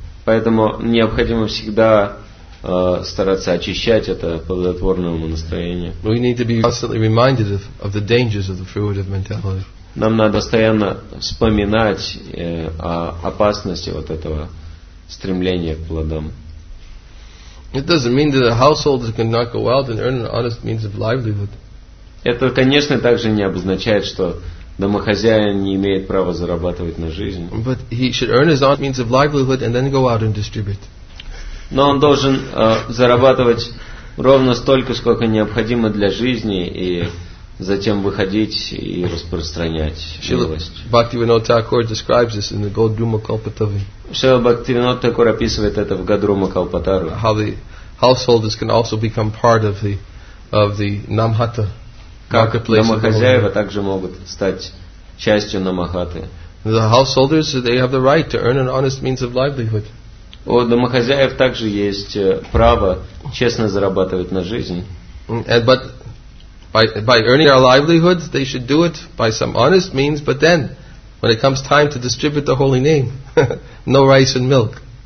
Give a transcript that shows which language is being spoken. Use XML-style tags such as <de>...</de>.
<ru>Поэтому необходимо всегда стараться очищать это плодотворное настроение.</ru> <en>We need to be constantly reminded of the dangers of the fruit of mentality.</en> <ru>Нам надо постоянно вспоминать о опасности вот этого стремления к плодам.</ru> <en>It doesn't mean that a householder cannot go out and earn an honest means of livelihood.</en> <ru>Это, конечно, также не обозначает, что домохозяин не имеет права зарабатывать на жизнь.</ru> <en>But he should earn his honest means of livelihood and then go out and distribute.</en> <ru>Но он должен зарабатывать ровно столько, сколько необходимо для жизни и затем выходить и распространять милость.</ru> <en>Бхактивинода Тхакур describes this in the Годрума Калпатару.</en> <ru>Шрила Бхактивинода Тхакур описывает это в Годрума Калпатару.</ru> <en>How the householders can also become part of the Намхата.</en> <ru>Как домохозяева также могут стать частью Намхаты.</ru> <en>The householders, they have the right to earn an honest means of livelihood.</en> <ru>У домохозяев также есть право честно зарабатывать на жизнь.</ru> <en>By earning our livelihood, they should do it by some honest means, but then, when it comes time to distribute the holy name, no rice and milk.</en>